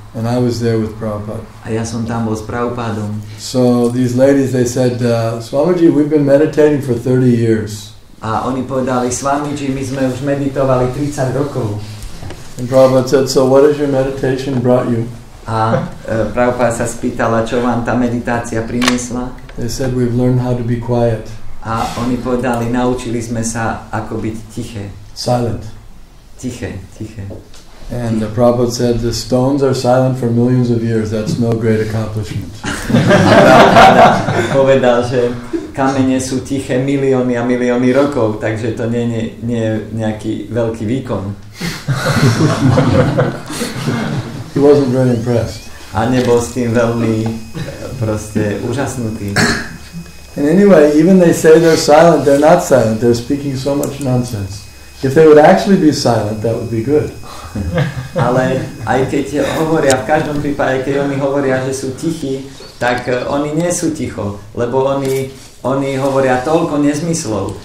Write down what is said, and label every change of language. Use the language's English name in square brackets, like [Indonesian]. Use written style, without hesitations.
[English] And I was there with Prabhupada. [Slovak] A ja som tam bol s Prabhupádom. [English] So these ladies, they said, Swamiji, we've been meditating for 30 years. [Slovak] A oni povedali, Swamiji, my sme už meditovali 30 rokov. [English] And Prabhupada said, so what has your meditation brought you? [Slovak] A Prabhupada sa spýtala, čo vám tá meditácia priniesla. [English] They said, we've learned how to be quiet. [Slovak] A oni povedali, naučili sme sa, ako byť tiché. [English] Silent. [Slovak] Tiché. [English] And the Prabhupada said, the stones are silent for millions of years. That's no great accomplishment. [Slovak] Prabhupada povedal, že kamene sú tiché milióny a milióny rokov, takže to nie je nejaký veľký výkon. [English] He wasn't very impressed. [Slovak] A nebol s tým veľmi proste úžasnutý. [English] And anyway, even they say they're silent, they're not silent. They're speaking so much nonsense. If they would actually be silent, that would be good. [Slovak] Ale aj keď hovoria, v každom prípade, keď oni hovoria, že sú tichí, tak oni nie sú ticho, lebo oni hovoria toľko nezmyslov.